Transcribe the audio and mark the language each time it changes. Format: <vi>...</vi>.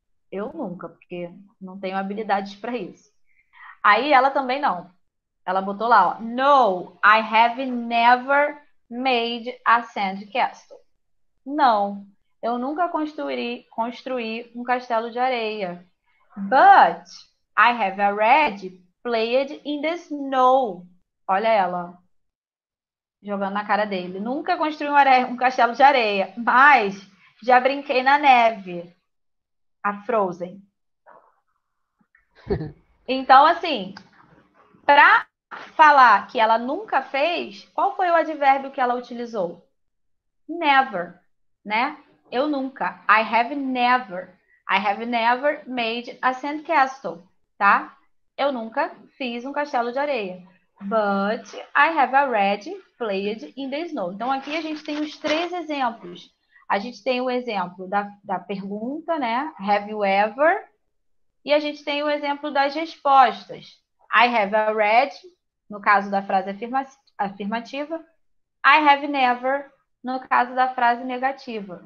<pt>Eu nunca, porque não tenho habilidades para isso. Aí ela também não. Ela botou lá, ó.</pt> <en>No, I have never made a sandcastle.</en> <pt>Não, eu nunca construí um castelo de areia.</pt> <en>But I have already played in the snow.</en> <pt>Olha ela, ó, jogando na cara dele. Nunca construí um castelo de areia, mas já brinquei na neve. A Frozen. Então, assim, para falar que ela nunca fez, qual foi o advérbio que ela utilizou?</pt> <en>Never, né?</en> <pt>Eu nunca.</pt> <en>I have never made a sandcastle, tá?</en> <pt>Eu nunca fiz um castelo de areia.</pt> <en>But I have already played in the snow.</en> <pt>Então, aqui a gente tem os três exemplos. A gente tem o exemplo da pergunta, né?</pt> <en>Have you ever?</en> <pt>E a gente tem o exemplo das respostas.</pt> <en>I have already,</en> <pt>no caso da frase afirmativa.</pt> <en>I have never,</en> <pt>no caso da frase negativa.</pt>